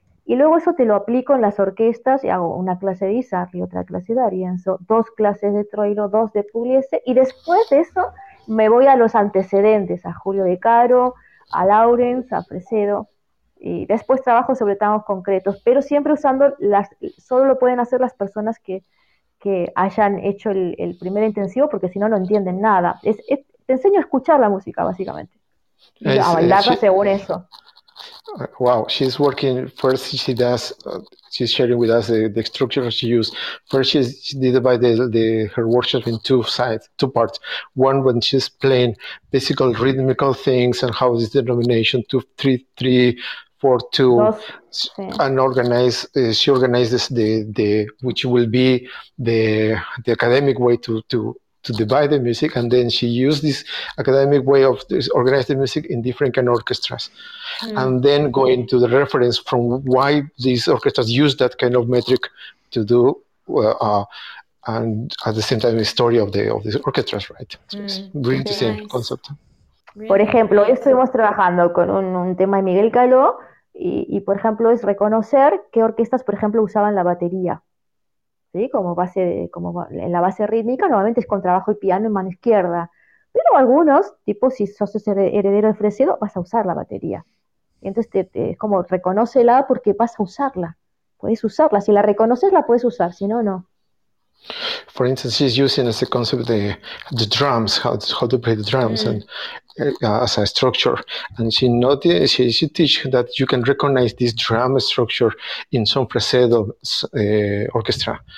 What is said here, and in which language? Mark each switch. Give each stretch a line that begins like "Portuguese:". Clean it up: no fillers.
Spanish: Y luego eso te lo aplico en las orquestas y hago una clase de Isar y otra clase de Arienzo, dos clases de Troilo, dos de Pugliese, y después de eso me voy a los antecedentes, a Julio De Caro, a Lawrence, a Fresedo, y después trabajo sobre tangos concretos, pero siempre usando solo lo pueden hacer las personas que hayan hecho el primer intensivo, porque si no, no entienden nada. Te enseño a escuchar la música, básicamente, y a bailarla según eso.
English: Wow, she's working first. She does. She's sharing with us the structure she used. First, she did by the her workshop in two parts. One when she's playing basic rhythmical things and how is the denomination 2-3-3-4-2, and she organizes the which will be the academic way to divide the music, and then she used this academic way of organizing the music in different kind of orchestras. And then going to the reference from why these orchestras use that kind of metric to do, and at the same time, the story of these orchestras, right? So it's really the same concept.
Spanish: Por ejemplo, hoy estuvimos trabajando con un tema de Miguel Caló, y por ejemplo, es reconocer qué orquestas, por ejemplo, usaban la batería. ¿Sí? Como en la base rítmica, normalmente es con trabajo y piano en mano izquierda. Pero algunos, tipo si sos heredero de Fresedo, vas a usar la batería. Entonces, es como reconócela porque vas a usarla. Puedes usarla. Si la reconoces, la puedes usar. Si no, no.
English: For instance, she's using as a concept the drums, how to play the drums and as a structure. And she teaches that you can recognize this drum structure in some Fresedo orchestra.